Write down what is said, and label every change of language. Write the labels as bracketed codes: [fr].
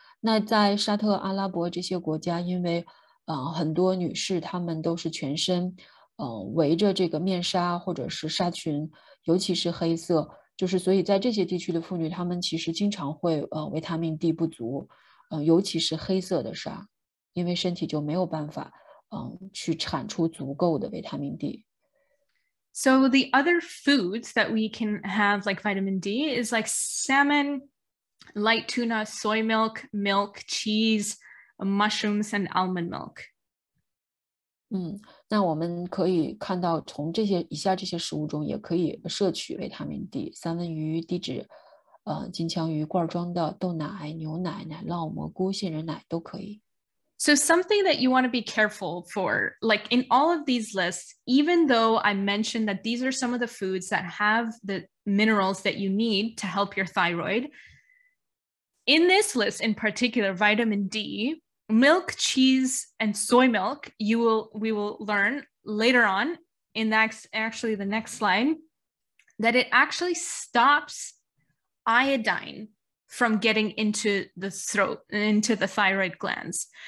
[zh] 那在沙特阿拉伯这些国家，因为很多女士她们都是全身围着这个面纱或者是纱裙，尤其是黑色。就是所以在这些地区的妇女她们其实经常会维他命 D 不足尤其是黑色的纱因为身体就没有办法去产出足够的维他命 D. [en] So the other foods that we can have like vitamin D is like salmon, light tuna, soy milk, milk, cheese, mushrooms, and almond milk. [zh] 那我们可以看到从这些以下这些食物中也可以摄取维他命 D 三文鱼低脂金枪鱼罐装的豆奶牛奶奶酪蘑菇杏仁奶都可以 [en] So something that you want to be careful for like in all of these lists even though I mentioned that these are some of the foods that have the minerals that you need to help your thyroid in this list in particular vitamin DMilk, cheese, and soy milk, we will learn later on in the next slide, that it actually stops iodine from getting into the throat, into the thyroid glands.